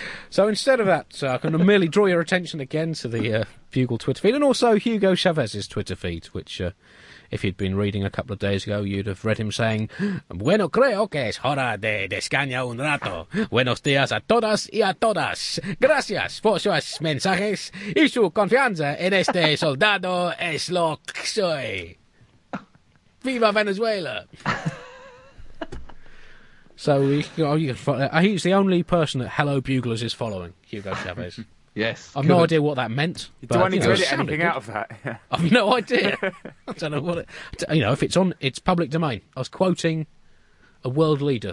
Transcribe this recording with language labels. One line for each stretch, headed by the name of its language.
English: So instead of that, I'm going to merely draw your attention again to the Bugle Twitter feed and also Hugo Chavez's Twitter feed, which if you'd been reading a couple of days ago, you'd have read him saying,
Spanish: Bueno, creo que es hora de descansar un rato. Buenos días a todas y a todas. Gracias por sus mensajes y su confianza en este soldado es lo que soy. Viva Venezuela!
English: he's the only person that Hello Buglers is following, Hugo Chavez. Yes. I've no idea what that meant. But, do I need to edit anything good. Out of that? Yeah. I've no idea. I don't know what it... You know, if it's on, it's public domain. I was quoting a world leader.